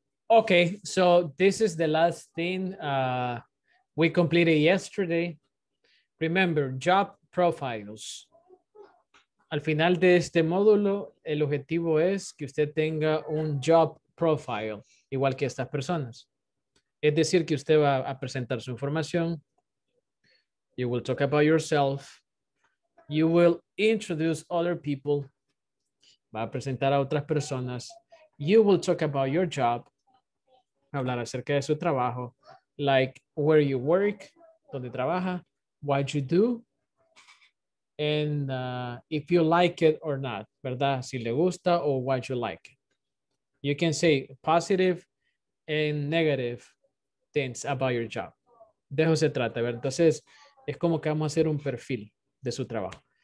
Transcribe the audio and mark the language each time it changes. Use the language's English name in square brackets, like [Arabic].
[English] Okay, so this is the last thing we completed yesterday. Remember, job profiles. [Spanish] Al final de este módulo, el objetivo es que usted tenga un job profile, igual que estas personas. Es decir, que usted va a presentar su información. [English] You will talk about yourself. You will introduce other people. [Spanish] Va a presentar a otras personas. You will talk about your job. [English] Hablar acerca de su trabajo, like where you work, donde trabaja, what you do, and if you like it or not, ¿verdad? [Spanish] Si le gusta o what you like. [English] You can say positive and negative things about your job. [Spanish] De eso se trata, ¿verdad? Entonces, es como que vamos a hacer un perfil de su trabajo.